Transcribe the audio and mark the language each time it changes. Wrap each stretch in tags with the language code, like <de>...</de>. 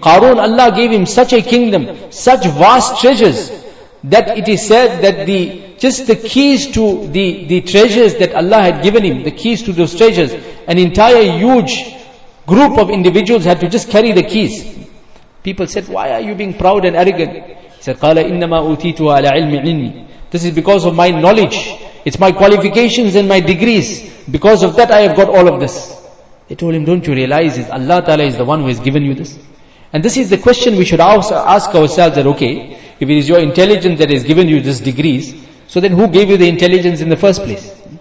<en>Qarun, Allah gave him such a kingdom, such vast treasures, that it is said that the keys to the treasures that Allah had given him, the keys to those treasures, an entire huge group of individuals had to just carry the keys. People said, why are you being proud and arrogant? He said,</en> <ar>قَالَ إِنَّمَا أُوتِيتُهَا عَلَىٰ عِلْمِ عِنِّي.</ar> <en>This is because of my knowledge. It's my qualifications and my degrees. Because of that, I have got all of this. They told him, don't you realize it? Allah Ta'ala is the one who has given you this. And this is the question we should ask ourselves, that okay, if it is your intelligence that has given you these degrees, so then who gave you the intelligence in the first place?</en>